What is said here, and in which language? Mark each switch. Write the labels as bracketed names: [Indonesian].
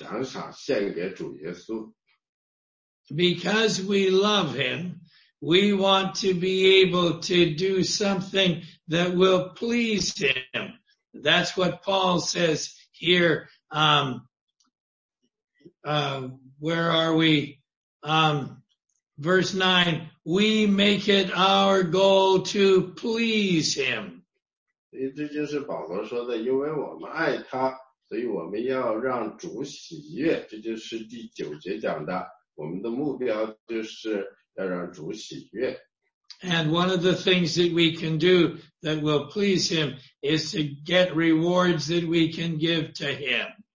[Chinese] 所以呢，他会跟主耶稣说，主耶稣啊，你是如此的爱我，所以我要把您给我的奖赏，还给您。我就说呢，到时候呢，我有那个能力把奖赏献给主耶稣。 [English] Because we love him, we want to be able to do something that will please him. That's what Paul says here. Verse 9, we make it our goal to please him. [Chinese] 这就是保罗说的，因为我们爱他，所以我们要让主喜悦，这就是第九节讲的。 [English] And one of the things that we can do that will please him is to get rewards that we can give to him.